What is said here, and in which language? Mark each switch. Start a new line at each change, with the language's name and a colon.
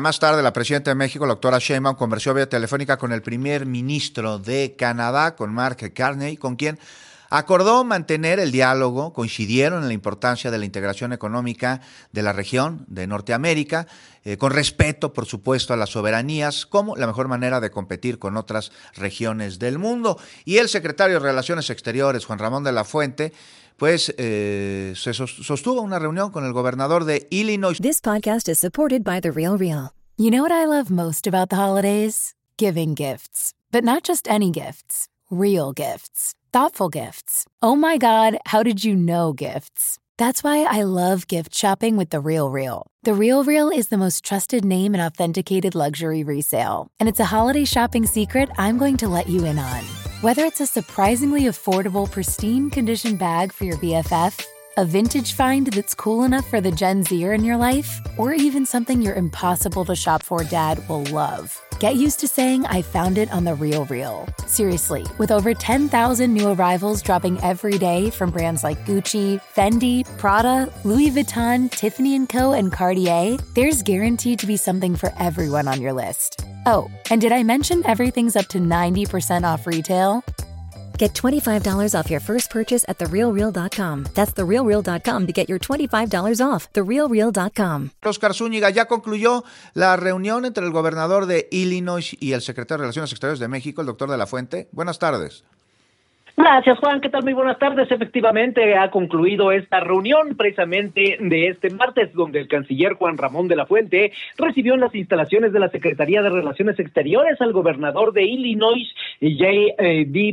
Spanish: Más tarde, la presidenta de México, la doctora Sheinbaum, conversó vía telefónica con el primer ministro de Canadá, con Mark Carney, con quien acordó mantener el diálogo, coincidieron en la importancia de la integración económica de la región de Norteamérica, con respeto, por supuesto, a las soberanías, como la mejor manera de competir con otras regiones del mundo. Y el secretario de Relaciones Exteriores, Juan Ramón de la Fuente, pues se sostuvo una reunión con el gobernador de Illinois.
English: This podcast is supported by The Real Real. You know what I love most about the holidays? Giving gifts. But not just any gifts. Real gifts. Thoughtful gifts. Oh my God, how did you know gifts? That's why I love gift shopping with The Real Real. The Real Real is the most trusted name in authenticated luxury resale. And it's a holiday shopping secret I'm going to let you in on. Whether it's a surprisingly affordable, pristine condition bag for your BFF, a vintage find that's cool enough for the Gen Zer in your life, or even something your impossible to shop for dad will love. Get used to saying, I found it on The Real Real. Seriously, with over 10,000 new arrivals dropping every day from brands like Gucci, Fendi, Prada, Louis Vuitton, Tiffany & Co., and Cartier, there's guaranteed to be something for everyone on your list. Oh, and did I mention everything's up to 90% off retail? Get $25 off your first purchase at TheRealReal.com. That's TheRealReal.com to get your $25 off. TheRealReal.com.
Spanish: Oscar Zúñiga, ya concluyó la reunión entre el gobernador de Illinois y el secretario de Relaciones Exteriores de México, el doctor de la Fuente. Buenas tardes. Gracias, Juan. ¿Qué tal? Muy buenas tardes. Efectivamente, ha concluido esta reunión precisamente de este martes, donde el canciller Juan Ramón de la Fuente recibió en las instalaciones de la Secretaría de Relaciones Exteriores al gobernador de Illinois, J.D.